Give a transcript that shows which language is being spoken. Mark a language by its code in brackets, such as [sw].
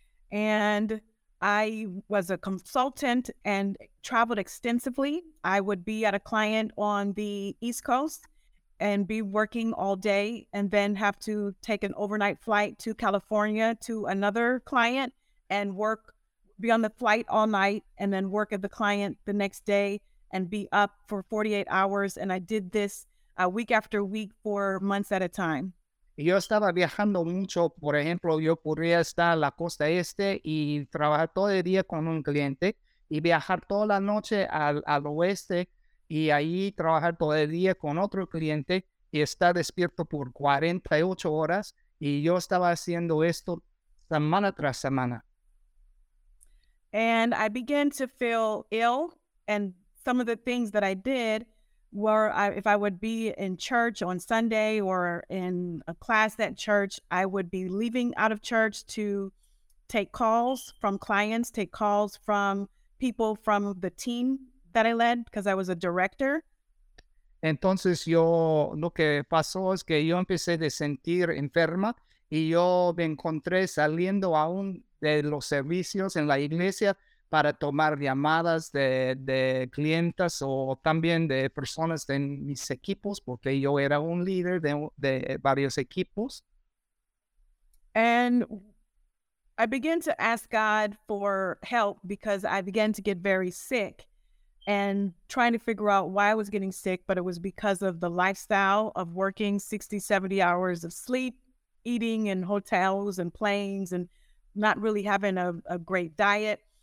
[en] And I was a consultant and traveled extensively. I would be at a client on the East Coast and be working all day and then have to take an overnight flight to California to another client and work, be on the flight all night and then work at the client the next day and be up for 48 hours. And I did this week after week for months at a time. [es] Yo estaba viajando mucho, por ejemplo, yo podría estar en la costa este y trabajar todo el día con un cliente y viajar toda la noche al oeste y ahí trabajar todo el día con otro cliente y estar despierto por 48 horas y yo estaba haciendo esto semana tras semana. [en] And I began to feel ill, and some of the things that I did where if I would be in church on Sunday or in a class at church, I would be leaving out of church to take calls from clients, take calls from people from the team that I led because I was a director. [es] Entonces yo, lo que pasó es que yo empecé a sentir enferma y yo me encontré saliendo aún de los servicios en la iglesia para tomar llamadas de clientes o también de personas de mis equipos, porque yo era un líder de varios equipos. [en] And I began to ask God for help because I began to get very sick and trying to figure out why I was getting sick, but it was because of the lifestyle of working 60, 70 hours of sleep, eating in hotels and planes and not really having a great diet.